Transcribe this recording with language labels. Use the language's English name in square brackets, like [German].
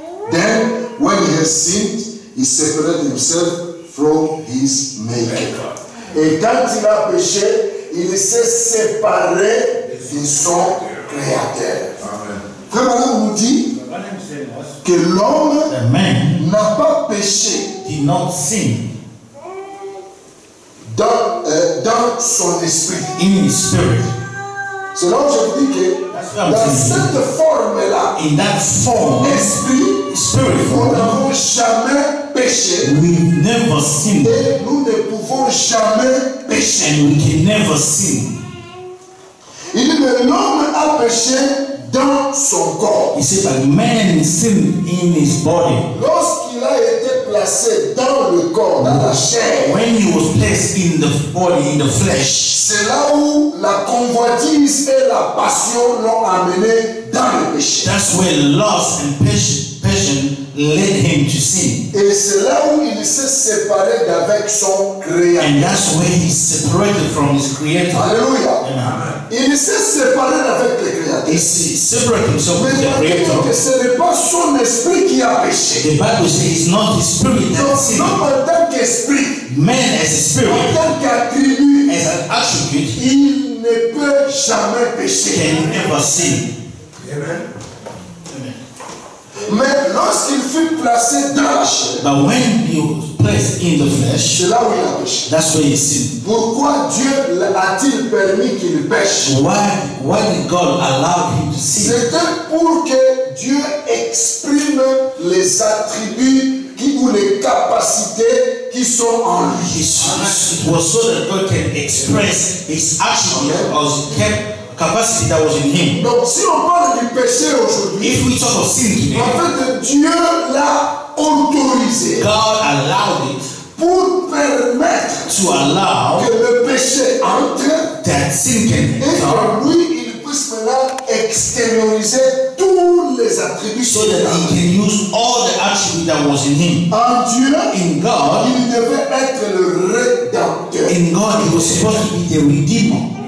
[English] Then, when he has sinned, he separated himself from his maker. [French] Et quand il a péché, il s'est séparé de son créateur. Amen. Frère Marie nous dit que l'homme [English] man [French] n'a pas péché [English] not sin [French] dans son esprit. [English] In his spirit. [French] C'est là où je vous dis que dans cette forme-là, [English] in that form, [French] esprit, [English] spirit, [French] nous n'avons jamais péché. [English] We never sinned. [French] Et nous ne pouvons jamais pécher. [English] And we can never sin. [French] Il dit que l'homme a péché dans son corps. [English] He said that man sinned in his body. [French] Lorsqu'il a été placé dans le corps, dans la chair. [English] When he was placed in the body, in the flesh. [French] C'est là où la convoitise et la passion l'ont amené dans le péché. [English] That's where lust and passion led him to sin. [French] Et c'est là où il s'est séparé d'avec son créateur. [English] And that's where he separated from his creator. Alléluia. Amen. [French] Il s'est séparé d'avec le créateur. [English] He separated himself with the creator. [French] Mais ce n'est pas son esprit qui a péché. [English] The Bible says it's not his spirit that sin. [French] Non, en tant qu'esprit. [English] Man as a spirit. [French] En tant qu'attribut. [English] As an attribute, il ne peut jamais pécher. Can never sin. Amen. [French] Mais lorsqu'il fut placé dans la chair, [English] but when he was placed in the flesh, [French] c'est là où il a péché. [English] That's where he sinned. [French] Pourquoi Dieu a-t-il permis qu'il pêche? [English] Why did God allow him to sin? [French] C'était pour que Dieu exprime les attributs ou les capacités qui sont en lui. [English] It was so that God can express his action or his capacity that was in him. [French] Donc si on parle du péché aujourd'hui, [English] if we talk of sin today, [French] en fait Dieu l'a autorisé, [English] God allowed it, [French] pour permettre [English] to allow [French] que le péché entre, [English] that sin can enter, [French] et que lui, il puisse maintenant extérioriser tous les attributs, [English] so that he can use all the attributes that was in him. [French] En Dieu, [English] in God, [French] il devait être le rédempteur. [English] In God, he was supposed to be the redeemer.